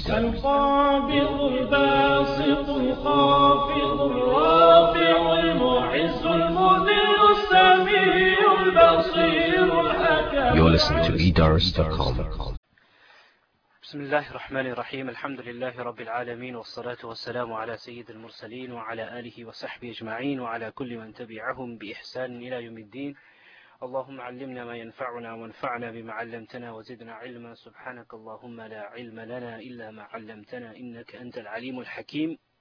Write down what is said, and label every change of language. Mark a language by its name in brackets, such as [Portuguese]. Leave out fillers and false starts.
[Arabic] القابض الباسط الخافض الرافع المعز المذل السميع البصير الحكيم. [English] You're listening to Eidars.com. [Arabic] بسم الله الرحمن الرحيم. الحمد لله رب العالمين، والصلاة والسلام على سيد المرسلين وعلى آله وصحبه أجمعين، وعلى كل من تبعهم بإحسان إلى يوم الدين. اللهم علمنا ما ينفعنا، وانفعنا بما علمتنا، وزدنا علما. سبحانك اللهم لا علم لنا إلا ما علمتنا، إنك أنت العليم الحكيم.